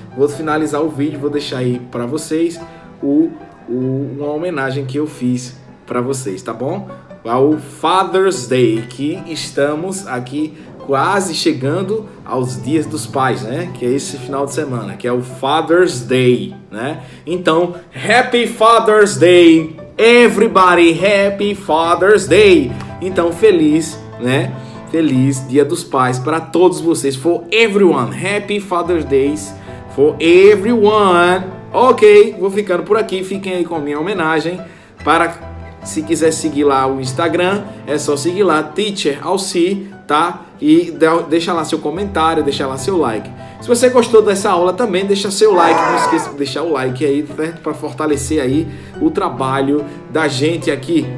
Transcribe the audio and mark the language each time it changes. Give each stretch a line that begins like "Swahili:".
Portuguese: Vou finalizar o vídeo, vou deixar aí para vocês uma homenagem que eu fiz para vocês, tá bom? Ao Father's Day, que estamos aqui quase chegando aos dias dos pais, né? Que é esse final de semana, que é o Father's Day, né? Então,
English: Happy Father's Day, everybody, Happy Father's Day.
Portuguese: Então, feliz, né? Feliz Dia dos Pais para todos vocês,
English: for everyone. Happy Father's Day for everyone.
Portuguese: Ok, vou ficando por aqui, fiquem aí com a minha homenagem. Para, se quiser seguir lá o Instagram, é só seguir lá, Teacher Alci, tá? E deixa lá seu comentário, deixa lá seu like. Se você gostou dessa aula também, deixa seu like. Não esqueça de deixar o like aí, certo? Para fortalecer aí o trabalho da gente aqui.